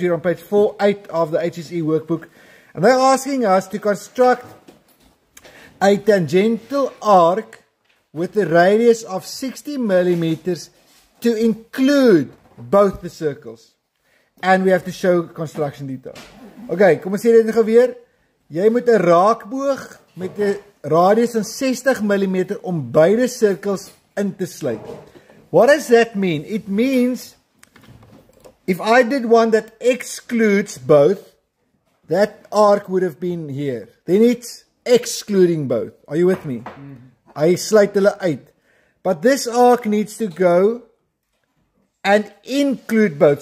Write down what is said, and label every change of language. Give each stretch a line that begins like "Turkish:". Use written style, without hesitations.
English: We're on page 48 of the HSE workbook, and they're asking us to construct a tangential arc with a radius of 60 millimeters to include both the circles. And we have to show construction detail. Okay,
Afrikaans: kom ons sê dit gou weer. Jy moet 'n raakboog met 'n radius van 60 mm om beide sirkels in te sluit.
English: What does that mean? It means if I did one that excludes both, that arc would have been here. Then it's excluding both. Are you with me?
Afrikaans: Hy sluit hulle uit.
English: But this arc needs to go and include both.